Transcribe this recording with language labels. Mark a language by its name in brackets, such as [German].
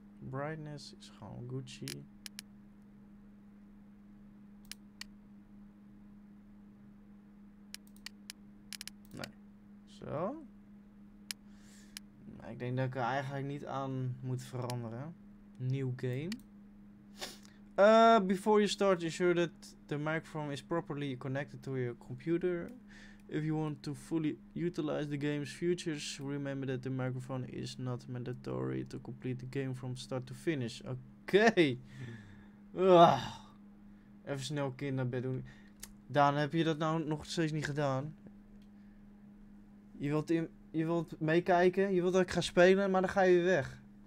[Dutch] Brightness is gewoon Gucci. Nee. Zo. Nou, ik denk dat ik er eigenlijk niet aan moet veranderen. Nieuw game. [English] Before you start, ensure that the microphone is properly connected to your computer. If you want to fully utilize the game's features, remember that the microphone is not mandatory to complete the game from start to finish. Okay. [Dutch] Even snel kind naar bed doen. Daan, heb je dat nou nog steeds niet gedaan? Je wilt meekijken, je wilt dat ik ga spelen, maar dan ga je weer weg.